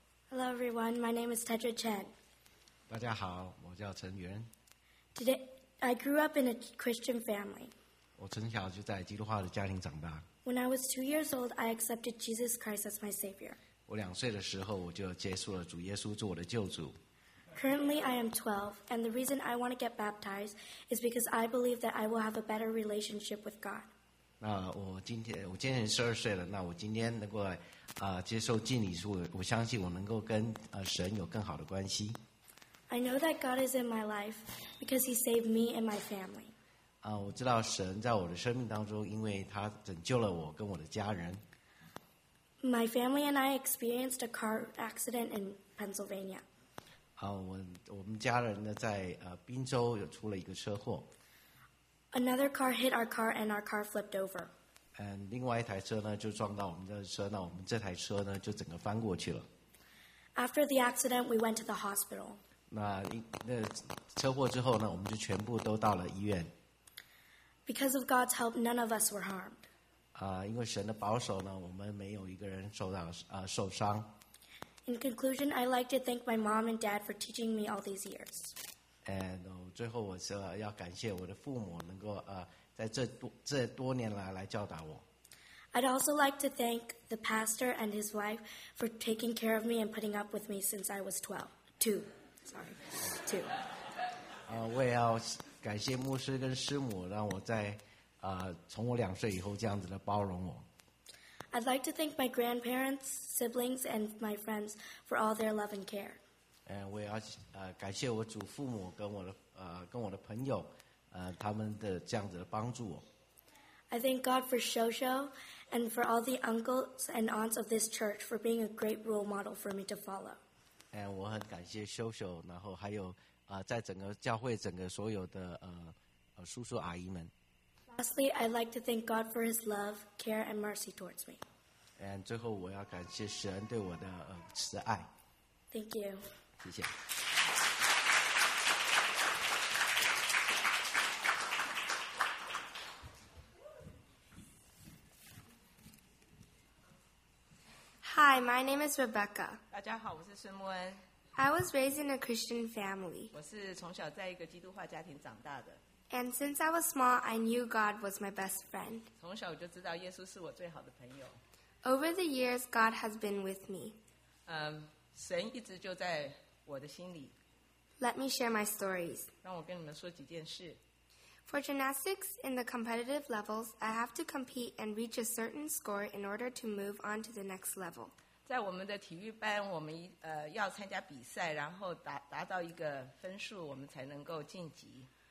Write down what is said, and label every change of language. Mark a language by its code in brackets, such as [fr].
[en] Hello, everyone. My name is Tedra Chen. [zh] 大家好，我叫陈元。 [en] Today, I grew up in a Christian family. [zh] 我从小就在基督化的家庭长大。 [en] When I was 2 years old, I accepted Jesus Christ as my Savior. [zh] 我两岁的时候，我就接受了主耶稣做我的救主。 [en] Currently, I am 12, and the reason I want to get baptized is because I believe that I will have a better relationship with God. [zh] 那我今年十二岁了，那我今天能够。接受浸礼时，我相信我能够跟神有更好的关系。 [en] I know that God is in my life because He saved me and my family. [zh] 我知道神在我的生命当中，因为他拯救了我跟我的家人。 [en] My family and I experienced a car accident in Pennsylvania. [zh] 我们家人呢在宾州有出了一个车祸。 [en] Another car hit our car and our car flipped over. [zh] 另外一台车呢就撞到我们的车，那我们这台车呢就整个翻过去了。 [en] After the accident, we went to the hospital. [zh] 那车祸之后呢，我们就全部都到了医院。 [en] Because of God's help, none of us were harmed. [zh] 因为神的保守呢，我们没有一个人受伤。 [en] In conclusion, I'd like to thank my mom and dad for teaching me all these years. [zh] 最后我是要感谢我的父母能够在这多年来教导我。 [en] I'd also like to thank the pastor and his wife for taking care of me and putting up with me since I was 12. Two. [zh] 我也要感谢牧师跟师母让我从我两岁以后这样子的包容我。 [en] I'd like to thank my grandparents, siblings, and my friends for all their love and care. [zh] 我也要感谢我祖父母跟我的朋友，他们的这样子的帮助我。 [en] I thank God for Shosho and for all the uncles and aunts of this church for being a great role model for me to follow. [zh] 我很感谢Shosho，然后还有在整个教会整个所有的叔叔阿姨们。 [en] Lastly, I'd like to thank God for His love, care, and mercy towards me. [zh] 最后我要感谢神对我的慈爱。 [en] Thank you. [zh] 谢谢。 [en] Hi, my name is Rebecca. [zh] 大家好，我是孙木恩。 [en] I was raised in a Christian family. [zh] 我是从小在一个基督化家庭长大的。 [en] And since I was small, I knew God was my best friend. [zh] 从小我就知道耶稣是我最好的朋友。 [en] Over the years, God has been with me. [zh] 神一直就在我的心里。 [en] Let me share my stories. [zh] 让我跟你们说几件事。 [en] For gymnastics, in the competitive levels, I have to compete and reach a certain score in order to move on to the next level. [zh] 在我们的体育班，我们要参加比赛，然后达到一个分数，我们才能够晋级。